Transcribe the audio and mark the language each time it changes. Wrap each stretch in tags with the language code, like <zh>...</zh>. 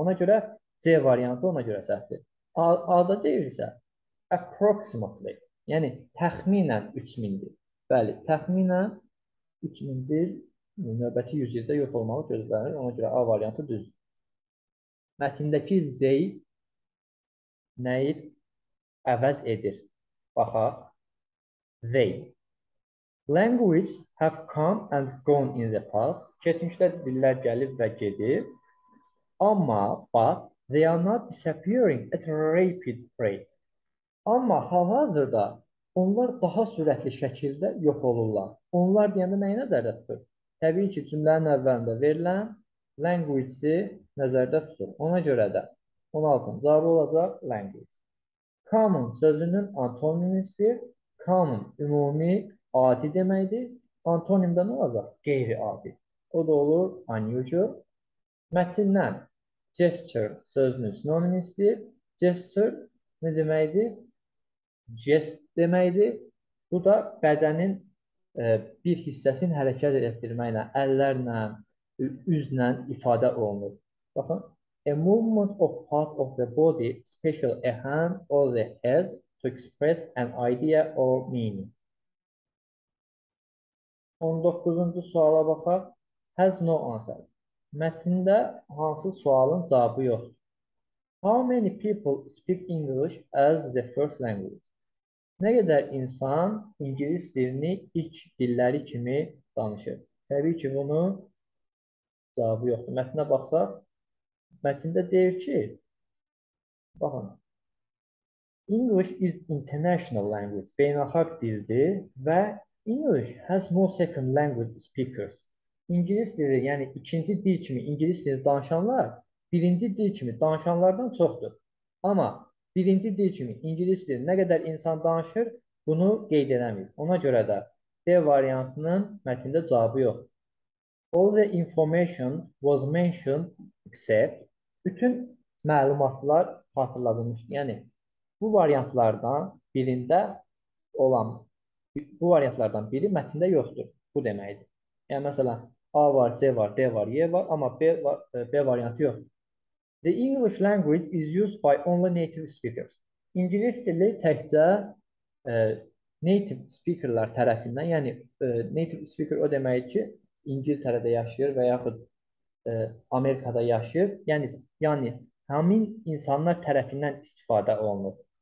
<az>Ona görə C variantı ona görə səhvdir. A'da deyilsə, approximately, yəni təxminən 3000'dir. Bəli, təxminən 3000'dir. Növbəti 100 ildə yox olmağı gözlənir. Ona görə A variantı düzdür. Mətindəki Z nəyi əvəz edir? Baxaq. They.</az> <en>Languages have come and gone in the past.</en> <az>Keçmişdə dillər gəlib və gedib. Amma, bax,</az> <en>they are not disappearing at a rapid rate.</en> <az>Amma hal-hazırda onlar daha sürətli şəkildə yox olurlar. Onlar deyəndə nəyi nəzərdə tutur? Təbii ki, cümlənin əvvəlində verilən language-i nəzərdə tutur. Ona görə də 16. cavabı olacaq language. Common sözünün antonimisi common, ümumi, adi deməkdir. Antonim də nə olacaq? Qeyri-adi. O da olur unusual. Mətindən gesture sözünün sinonimisidir. Gesture ne demektir? Jest demektir. Bu da bədənin bir hissəsini hərəkət etdirməklə, əllərlə, üzlə ifadə olunur.</az> <en>Baxın, a movement of part of the body, especially a hand or the head, to express an idea or meaning.</en> <az>19. suala baxaq.</az> <en>Has no answer.</en> <az>Mətnində hansı sualın cavabı yoxdur?</az> <en>How many people speak English as the first language?</en> <az>Ne kadar insan İngiliz dilini ilk dilleri kimi danışır? Təbii ki, bunun cavabı yoxdur. Mətnə baxsaq, mətnində deyir ki, baxın,</az> <en>English is international language,</en> <az>beynəlxalq dildir və</az> <en>English has no second language speakers.</en> <az>İngiliz dili, yəni ikinci dil kimi İngiliz dili danışanlar birinci dil kimi danışanlardan çoxdur. Amma birinci dil kimi İngiliz dili nə qədər insan danışır, bunu qeyd eləmir. Ona görə də D variantının mətnində cavabı yoxdur.</az> <en>All the information was mentioned except</en> <az>bütün məlumatlar xatırladılmış. Yəni bu variantlardan birində olan bu variantlardan biri mətnində yoxdur. Bu deməkdir. Yəni məsələn A var, C var, D var, E var ama B var, B variantı yok.</az> <en>The English language is used by only native speakers.</en> <az>İngiliz dili təkcə native speakerlar tərəfindən, yəni native speaker o demək ki, İngiltərədə yaşayır və yaxud Amerikada yaşayır. Yəni həmin insanlar tərəfindən istifadə olunur.</az>